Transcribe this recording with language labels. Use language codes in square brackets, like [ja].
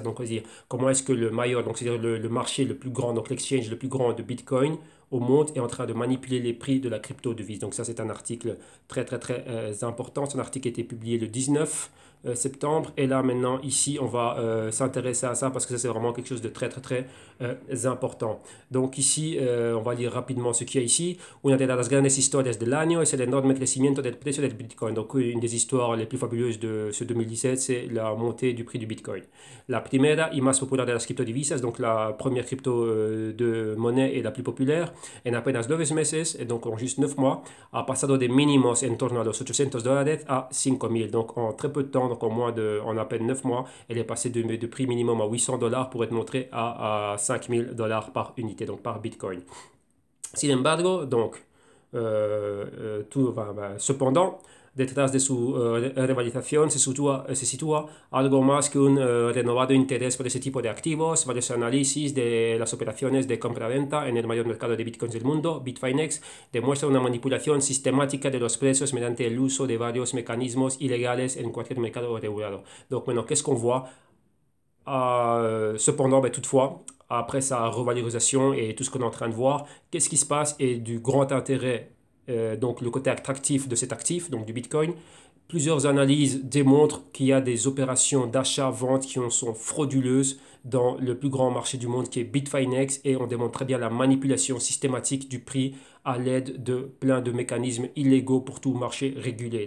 [fr] Donc, c'est-à-dire, comment est-ce que le mayor, donc c'est-à-dire le marché le plus grand, donc l'exchange le plus grand de bitcoin au monde est en train de manipuler les prix de la crypto-devise. Donc ça, c'est un article très, très, très important. Son article a été publié le 19 septembre. Et là, maintenant, ici, on va s'intéresser à ça parce que ça, c'est vraiment quelque chose de très, très, très important. Donc ici, on va lire rapidement ce qu'il y a ici. [es] Una de las grandes historias del año es el enorme crecimiento del precio del Bitcoin. [fr] Donc une des histoires les plus fabuleuses de ce 2017, c'est la montée du prix du Bitcoin. [es] La primera y más popular de las criptodivisas, [fr] donc la première crypto de monnaie et la plus populaire, [es] en apenas 2 meses, [fr] et donc en juste 9 mois, [es] a pasado de mínimos en torno a los 800 dólares a 5000. [fr] Donc en très peu de temps, donc en à peine 9 mois, elle est passée de prix minimum à 800 dollars pour être montée à 5000 dollars par unité, donc par Bitcoin. [es] Sin embargo, [fr] donc, tout va, ben, cependant, [es] detrás de su revalorización se sitúa algo más que un renovado interés por ese tipo de activos. Varios análisis de las operaciones de compra-venta en el mayor mercado de bitcoins del mundo, Bitfinex, demuestran una manipulación sistemática de los precios mediante el uso de varios mecanismos ilegales en cualquier mercado regulado. [fr] Donc, [es] bueno, ¿qué es [fr] qu'on voit? Cependant, ben, toutefois, après sa revalorisation et tout ce qu'on est en train de voir, qu'est-ce qui se passe et du grand intérêt? Donc le côté attractif de cet actif, donc du Bitcoin, plusieurs analyses démontrent qu'il y a des opérations d'achat-vente qui sont frauduleuses dans le plus grand marché du monde qui est Bitfinex et on démontre très bien la manipulation systématique du prix à l'aide de plein de mécanismes illégaux pour tout marché régulé.